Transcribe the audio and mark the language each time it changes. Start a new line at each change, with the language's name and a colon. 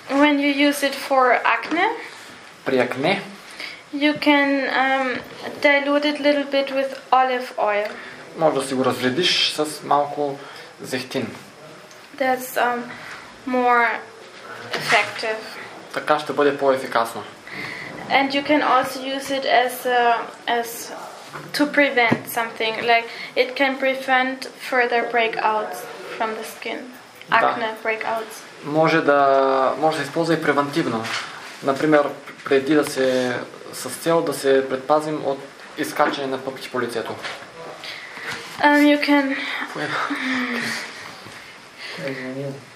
English: When you use it for acne,
Bulgarian: при акне,
English: you can dilute it a little bit with olive oil.
Bulgarian: Може да си го разредиш с малко зехтин.
English: That's more effective.
Bulgarian: Така ще бъде по-ефикасно.
English: And you can also use it as to prevent something, like it can prevent further breakouts from the skin. Acne
Bulgarian: да.
English: Breakouts.
Bulgarian: Може да се използва и превантивно. Например, преди да се с цел да се предпазим от изкачане на пъпки по лицето.
English: You can Емил.